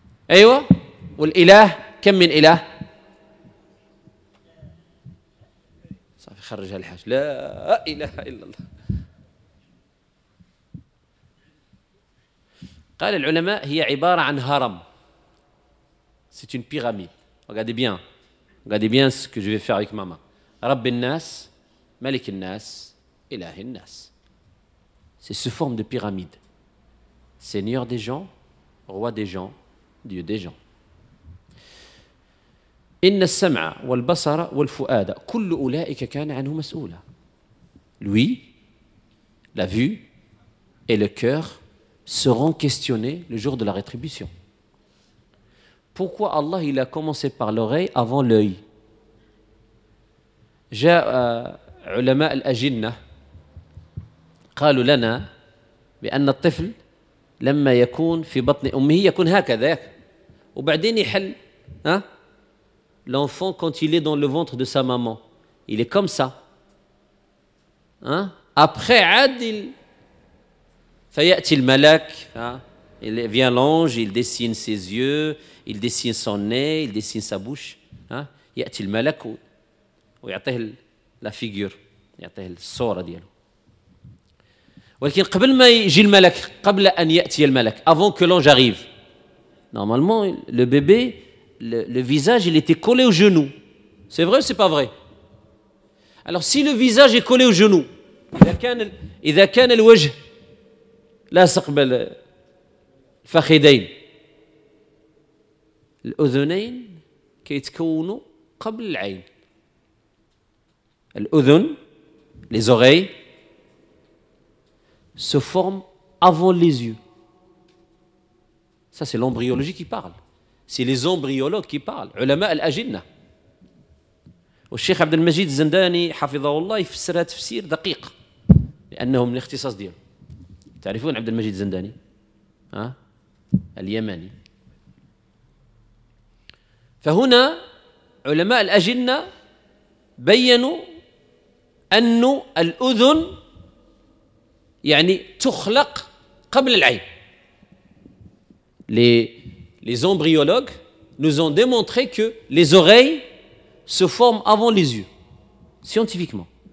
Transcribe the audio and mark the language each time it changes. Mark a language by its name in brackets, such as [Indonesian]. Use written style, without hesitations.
[Arabic] أيوة، والإله كم من إله؟ صافي خرج هالحاج، لا إله إلا الله. قال العلماء هي عبارة عن هرم، [French] c'est une pyramide. regardez bien ce que je vais faire avec maman. [Arabic] رب الناس، ملك الناس، إله الناس. [French] c'est sous forme de pyramide. Seigneur des gens، roi des gens، Dieu des gens. [Arabic] إن السمع والبصر والفؤاد كل أولئك كان عنه مسؤولا. [French] Lui, la vue et le cœur seront questionnés le jour de la rétribution. Pourquoi Allah il a commencé par l'oreille avant l'œil? [Arabic] جاء علماء الأجنة قالوا لنا بأن الطفل لما يكون في بطن أمه يكون هكذا وبعدين يحل. [French] ها، l'enfant quand il est dans le ventre de sa maman il est comme ça. ها، après عادل [Arabic] فيأتي الملك، [French] ها، il vient l'ange، il dessine ses yeux، il dessine son nez، il dessine sa bouche. [Arabic] ها، يأتي الملك ويعطيه la figure، يعطيه الصورة ديالو. ولكن قبل ما يجي الملك، قبل أن يأتي الملك، [French] avant que l'ange arrive، normalement, le bébé, le visage, il était collé au genou. C'est vrai ou c'est pas vrai? Alors, si le visage est collé au genou, [Arabic] إذا كان الوجه لاصق بالفخذين، الأذنين كيتكونوا قبل العين. الأذن، [French] les oreilles, se forment avant les yeux. Ça, c'est l'embryologie qui parle. C'est les embryologues qui parlent. [Arabic] علماء الأجنة. [French] Le Cheikh Abdel Majid Zandani, [Arabic] حفظه الله, [French] il fait un tafsir دقيق. [Arabic] لأنهم الاختصاص ديال. تعرفون عبد المجيد زنداني؟ ها؟ اليماني. فهنا علماء الأجنة بينوا أن الأذن يعني تخلق قبل العين. [French] Les embryologues nous ont démontré que les oreilles se forment avant les yeux, scientifiquement.